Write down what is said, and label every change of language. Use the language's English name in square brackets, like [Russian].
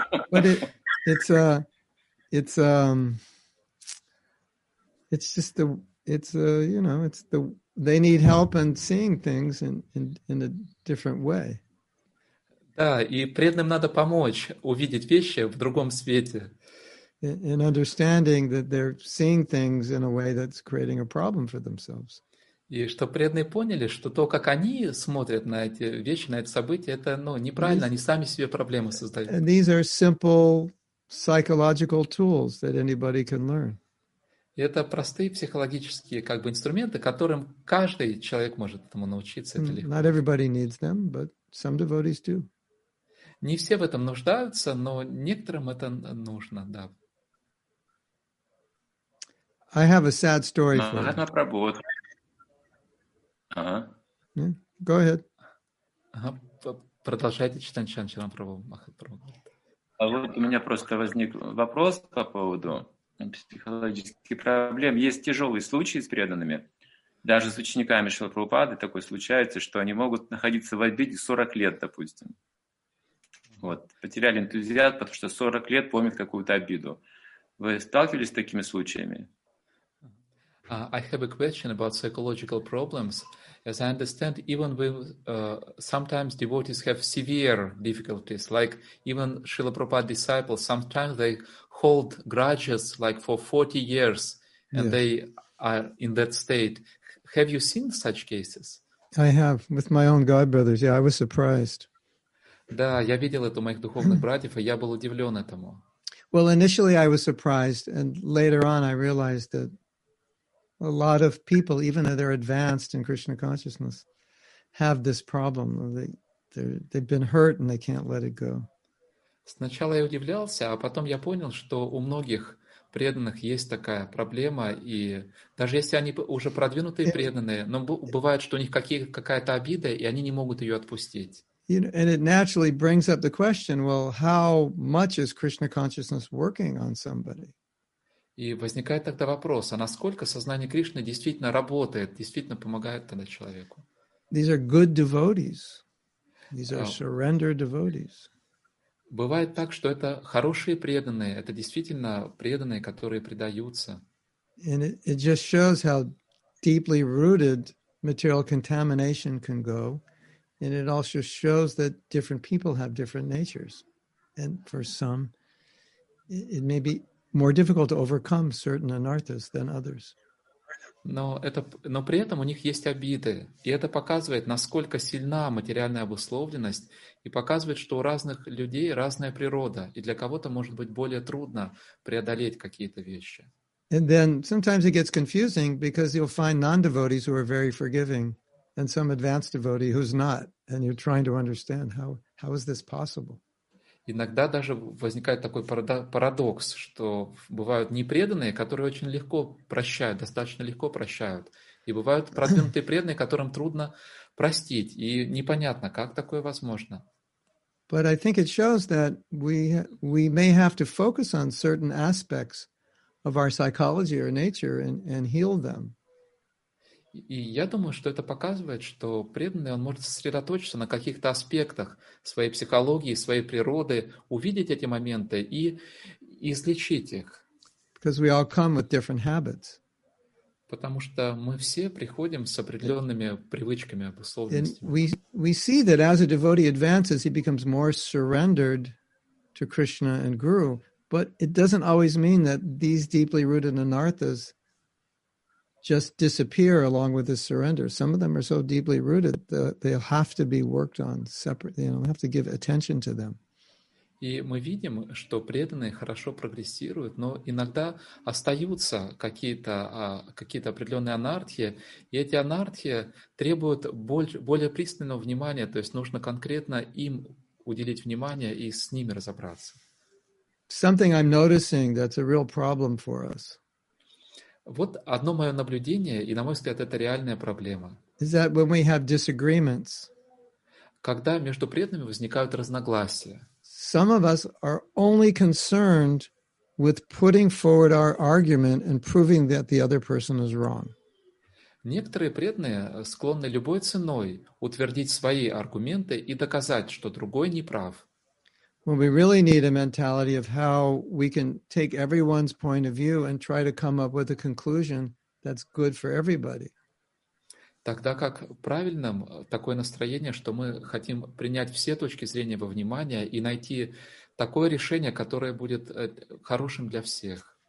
[English] But they need help in seeing things in a different way. [Russian] Да, и преданным надо помочь увидеть вещи в другом свете. [English] In understanding that they're seeing things in a way that's creating a problem for themselves. [Russian] И что преданные поняли, что то, как они смотрят на эти вещи, на эти события, это, ну, неправильно, они сами себе проблемы создают. [English] And these are simple psychological tools that anybody can learn. [Russian] И это простые психологические как бы инструменты, которым каждый человек может этому научиться. Это легко. [English] Not everybody needs them, but some devotees do. [Russian] Не все в этом нуждаются, но некоторым это нужно, да. [English] I have a sad story for you. [Russian] Ага, Прабху. [English] Go ahead. [Russian] Продолжайте читать Чанчаран Прабху. А вот у меня просто возник вопрос по поводу психологических проблем. Есть тяжелые случаи с преданными. Даже с учениками Шрилы Прабхупады такое случается, что они могут находиться в обиде 40 лет, допустим. Вот. Потеряли энтузиазм, потому что 40 лет помнят какую-то обиду. Вы сталкивались с такими случаями? [English] I have a question about psychological problems. As I understand, even with sometimes devotees have severe difficulties, like even Srila Prabhupada disciples, sometimes they hold grudges like for 40 years and they are in that state. Have you seen such cases? I have, with my own god brothers. Yeah, I was surprised. [Russian] Да, я видел это у моих духовных братьев, и я был удивлен этому. [English] Well, initially I was surprised, and later on I realized that a lot of people, even though they're advanced in Krishna consciousness, have this problem. They've been hurt and they can't let it go. [Russian] Сначала я удивлялся, а потом я понял, что у многих преданных есть такая проблема, и даже если они уже продвинутые преданные, но бывает, что у них какая-то обида, и они не могут ее отпустить. [English] You know, and it naturally brings up the question, well, how much is Krishna consciousness working on somebody? [Russian] И возникает тогда вопрос, а насколько сознание Кришны действительно работает, действительно помогает тогда человеку? [English] These are good devotees. These are surrender devotees. [Russian] Бывает так, что это хорошие преданные, это действительно преданные, которые предаются. [English] And it just shows how deeply rooted material contamination can go. And it also shows that different people have different natures. And for some, it may be more difficult to overcome certain anarthas than others. [Russian] Но при этом у них есть обиды. И это показывает, насколько сильна материальная обусловленность, и показывает, что у разных людей разная природа, и для кого-то может быть более трудно преодолеть какие-то вещи. [English] And then sometimes it gets confusing because you'll find non-devotees who are very forgiving and some advanced devotee who's not, and you're trying to understand how is this possible? [Russian] Иногда даже возникает такой парадокс, что бывают непреданные, которые очень легко прощают, достаточно легко прощают, и бывают продвинутые преданные, которым трудно простить, и непонятно, как такое возможно. [English] But I think it shows that we may have to focus on certain aspects of our psychology or nature and heal them. [Russian] И я думаю, что это показывает, что преданный, он может сосредоточиться на каких-то аспектах своей психологии, своей природы, увидеть эти моменты и излечить их. [English] Because we all come with different habits. [Russian] Потому что мы все приходим с определенными привычками, обусловленностями. [English] And we see that as a devotee advances, he becomes more surrendered to Krishna and Guru, but it doesn't always mean that these deeply rooted anarthas just disappear along with the surrender. Some of them are so deeply rooted that they'll have to be worked on separately. You know, have to give attention to them. [Russian] И мы видим, что преданные хорошо прогрессируют, но иногда остаются какие-то определенные анартхи, и эти анартхи требуют более пристального внимания, то есть нужно конкретно им уделить внимание и с ними разобраться. [English] Something I'm noticing that's a real problem for us. [Russian] Вот одно мое наблюдение, и, на мой взгляд, это реальная проблема. [English] Is that when we have disagreements, [Russian] когда между преданными возникают разногласия. [English] Some of us are only concerned with putting forward our argument and proving that the other person is wrong. [Russian] Некоторые преданные склонны любой ценой утвердить свои аргументы и доказать, что другой не прав. [English] When we really need a mentality of how we can take everyone's point of view and try to come up with a conclusion that's good for everybody. [Russian] Тогда как правильным такое настроение, что мы хотим принять все точки зрения во внимание и найти такое решение, которое будет хорошим для всех.